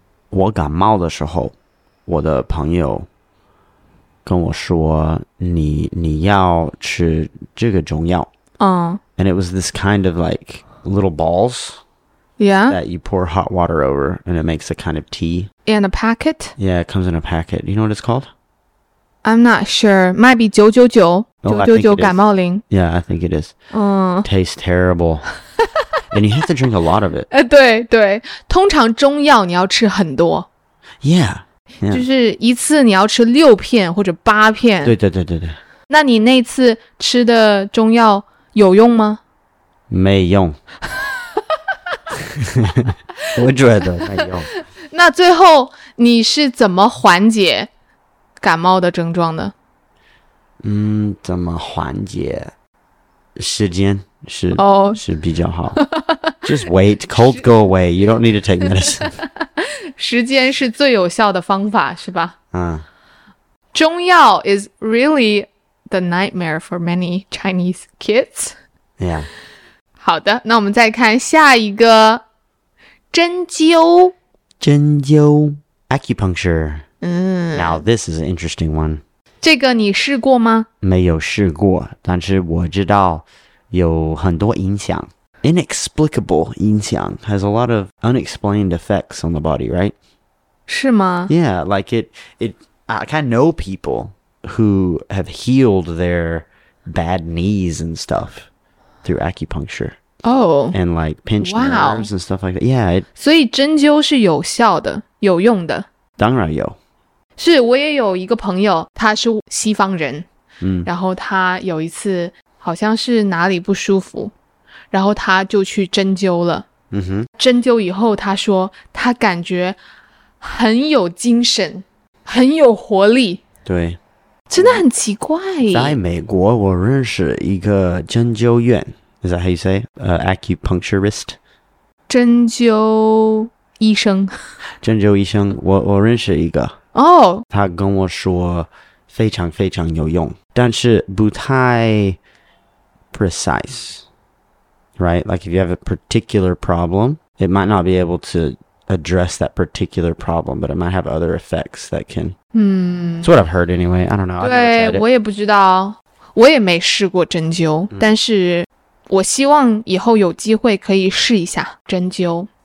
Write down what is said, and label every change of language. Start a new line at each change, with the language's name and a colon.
Chinese: 我感冒的时候，我的朋友跟我说，你要吃这个中药。
English: And it was this kind of like little balls. Yeah. That you pour hot water over and it makes a kind of tea. In a packet? Yeah, it comes in a packet. You know what it's called? I'm not sure. Might be 999. 999 感冒灵。 Yeah, I think it is. Tastes terrible. And you have to drink a lot of it.
Chinese: 对对，通常中药你要吃很多。
English: Yeah,
Chinese: 就是一次你要吃六片或者八片。对对对对对。那你那次吃的中药有用吗？没用。我觉得没用。那最后你是怎么缓解感冒的症状的？嗯，怎么缓解？时间是、 oh. 是比较好。
English: Just wait, cold go away. You don't need to take medicine.
Chinese: 时间是最有效的方法，是吧？嗯。
English: 中药 is really the nightmare for many Chinese kids. Yeah.
Chinese: 好的，那我们再看下一个，针灸。针灸 ，acupuncture. 嗯。
English: Now this is an interesting one.
Chinese: 这个你试过吗？没有试过，但是我知道有很多影响。
English: Inexplicable 影响 has a lot of unexplained effects on the body, right?
Chinese: 是吗?
English: Yeah, like it, I kind of know people who have healed their bad knees and stuff through acupuncture. Oh. And like pinched nerves and stuff like that. Yeah.
Chinese: 所以针灸是有效的,有用的。当然有。是,我也有一个朋友,他是西方人。嗯。然后他有一次好像是哪里不舒服。然后他就去针灸了。嗯哼。针灸以后他说他感觉很有精神，很有活力。对。真的很奇怪。在美国我认识一个针灸院。
English: Is that how you say? Acupuncturist?
Chinese: 针灸医生。针灸医生我认识一个。哦、oh.。他跟我说非常非常有用。但是不太 precise。
English: Right? Like if you have a particular problem, it might not be able to address that particular problem, but it might have other effects that can... It's what I've heard anyway. I don't know.
Chinese: 对, 我也不知道。我也没试过针灸,但是我希望以后有机会可以试一下针灸。